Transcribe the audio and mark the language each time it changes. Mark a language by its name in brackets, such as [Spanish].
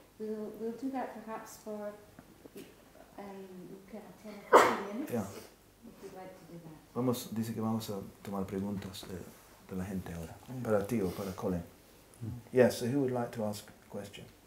[English] We'll do that perhaps for Luca, 10 or 15 minutes. Yeah. If you'd like to do that. [Spanish] Dice que vamos a tomar preguntas de la gente ahora. Para ti o para Colin. [English] Yes, so who would like to ask a question?